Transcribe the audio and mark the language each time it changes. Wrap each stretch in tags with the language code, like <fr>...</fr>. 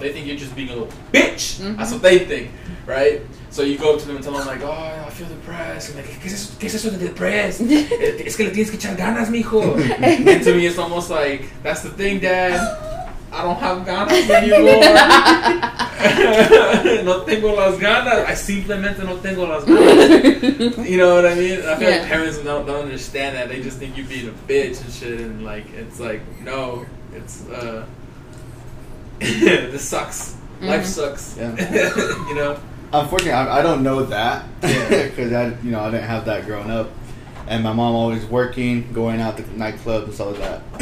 <en>They think you're just being a little bitch. Mm-hmm. That's what they think, right? So you go up to them and tell them, like, oh, I feel depressed. And like,</en> <es>¿qué es eso de depressed? Es que le tienes que echar ganas, mijo.</es> <en>And to me, it's almost like, that's the thing, Dad. I don't have ganas anymore.</en> <es>No tengo las ganas. I simplemente no tengo las ganas.</es> <en>You know what I mean? I feel like parents don't understand that. They just think you're being a bitch and shit. And, like, it's like, no. It's, this sucks. Mm-hmm. Life sucks. Yeah. You know? Unfortunately, I don't know that because I didn't have that growing up, and my mom always working, going out to nightclubs and all of that.</en>